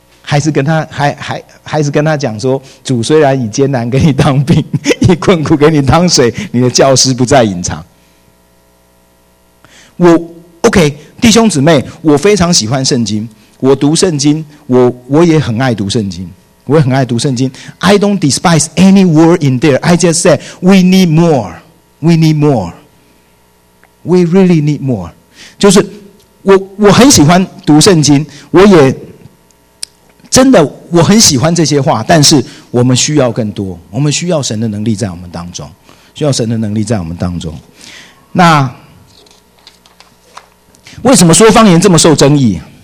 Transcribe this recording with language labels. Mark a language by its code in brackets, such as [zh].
[zh] 还是跟他讲说，主虽然以艰难给你当兵，以困苦给你当水，你的教师不再隐藏。我 OK，弟兄姊妹，我非常喜欢圣经，我读圣经，我也很爱读圣经，我也很爱读圣经。 [en] I don't despise any word in there. I just said we need more, we need more, we really need more. [zh] 就是我很喜欢读圣经，我也真的我很喜欢这些话，但是我们需要更多，我们需要神的能力在我们当中，需要神的能力在我们当中。那为什么说方言这么受争议？